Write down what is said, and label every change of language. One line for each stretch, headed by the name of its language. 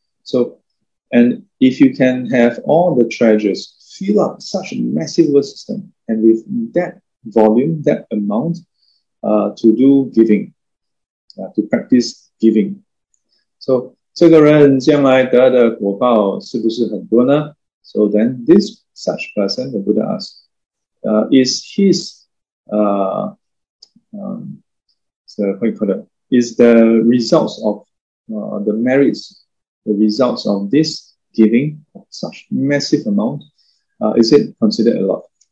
English: So, and if you can have all the treasures fill up such a massive world system, and with that volume, that amount, to do giving, to practice giving.
Chinese: So, 这个人将来得的果报是不是很多呢?
English: So then, this such person, the Buddha asked, is his, what you call it, is the results of the merits, the results of this giving, such massive amount, is it considered a lot?